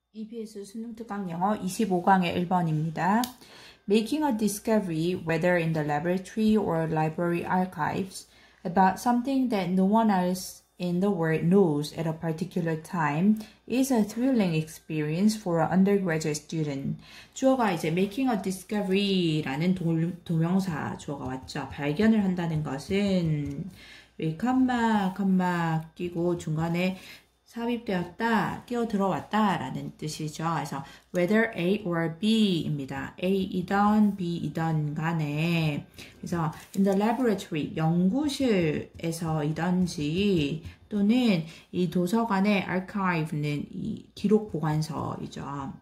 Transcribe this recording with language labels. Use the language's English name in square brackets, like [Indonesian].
[Korean] EBS 수능특강 영어 25강의 1번입니다. [English] Making a discovery, whether in the laboratory or library archives, about something that no one else in the world knows at a particular time is a thrilling experience for an undergraduate student. [Korean] 주어가 이제 [English] making a discovery [Korean] 라는 동명사 주어가 왔죠. 발견을 한다는 것은 여기 콤마 끼고 중간에 삽입되었다, 끼어들어왔다 라는 뜻이죠. 그래서 [English] whether A or B [Korean] 입니다. A이든 B이든 간에 그래서 [English] in the laboratory, [Korean] 연구실에서이든지 또는 이 도서관의 archive는 이 기록 보관서이죠.